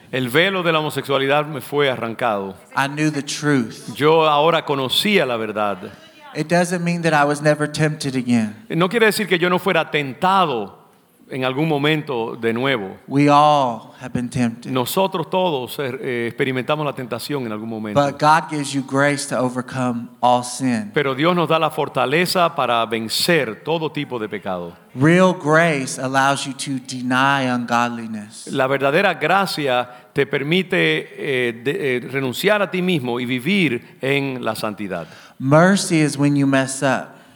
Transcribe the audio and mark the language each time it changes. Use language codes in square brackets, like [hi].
[es] El velo de la homosexualidad me fue arrancado. [en] I knew the truth. [es] Yo ahora conocía la verdad. [en] It doesn't mean that I was never tempted again. [es] No quiere decir que yo no fuera tentado en algún momento de nuevo. [en] We all have been tempted. [es] Nosotros todos experimentamos la tentación en algún momento. [en] But God gives you grace to overcome all sin. [es] Pero Dios nos da la fortaleza para vencer todo tipo de pecado. [en] Real grace allows you to deny ungodliness. [es] La verdadera gracia te permite renunciar a ti mismo y vivir en la santidad. [en] Mercy is when you mess up.